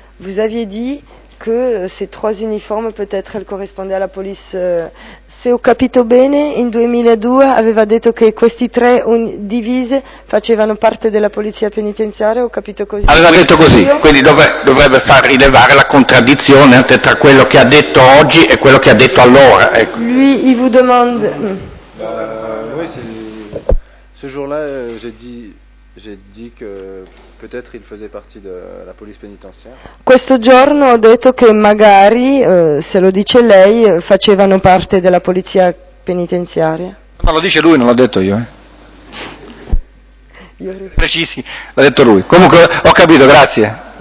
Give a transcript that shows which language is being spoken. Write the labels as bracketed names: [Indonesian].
[French] Vous aviez dit que ces trois uniformes, peut-être, elles correspondaient à la police. [Italian] Se ho capito bene, in 2002 aveva detto che questi tre divise facevano parte della polizia penitenziaria, ho capito così. Aveva detto così, quindi dovrebbe far rilevare la contraddizione tra quello che ha detto oggi e quello che ha detto allora. Ecco. [French] Lui, il vous demande... Oui, ce jour-là, j'ai dit que... Peut-être il faisait partie de la police pénitentiaire. [Italian] Questo giorno ho detto che magari, se lo dice lei, facevano parte della polizia penitenziaria. Ma lo dice lui, non l'ho detto io. Precisi, l'ha detto lui. Comunque ho capito, grazie.